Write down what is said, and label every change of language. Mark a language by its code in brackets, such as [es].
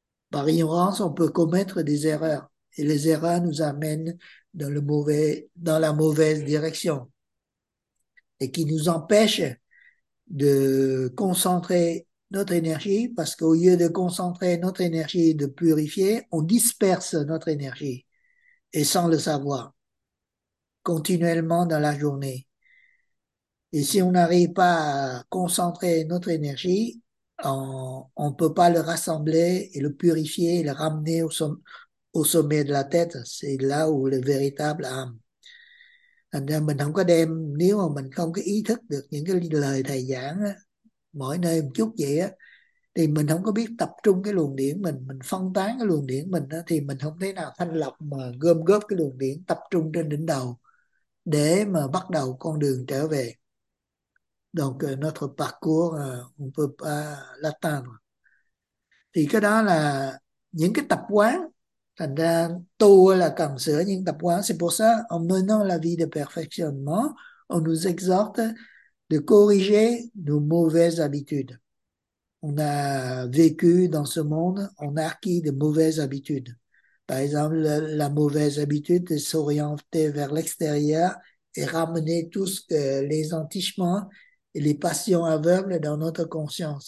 [fr] Par ignorance, on peut commettre des erreurs et les erreurs nous amènent dans la mauvaise direction et qui nous empêchent de concentrer notre énergie, parce qu'au lieu de concentrer notre énergie et de purifier, on disperse notre énergie et sans le savoir, continuellement dans la journée. Et si on n'arrive pas à concentrer notre énergie, on peut pas le rassembler et le purifier et le ramener au sommet de la tête. C'est là où le véritable âme. [vi] Nên mình không có đem, nếu mà mình không có ý thức được những cái lời thầy giảng mỗi nơi một chút vậy á, thì mình không có biết tập trung cái luồng điển mình phân tán cái luồng điển mình đó, thì mình không thể nào thanh lọc mà gom góp cái luồng điển tập trung trên đỉnh đầu để mà bắt đầu con đường trở về. Đồng thời nó thuộc bạc của Latin. Thì cái đó là những cái tập quán, thành ra tu là cần sửa những tập quán. [fr] C'est pour ça, on nous donne la vie de perfectionnement, on nous exhorte de corriger nos mauvaises habitudes. On a vécu dans ce monde, on a acquis de mauvaises habitudes. Par exemple, la mauvaise habitude de s'orienter vers l'extérieur et ramener tous les entichements et les passions aveugles dans notre conscience.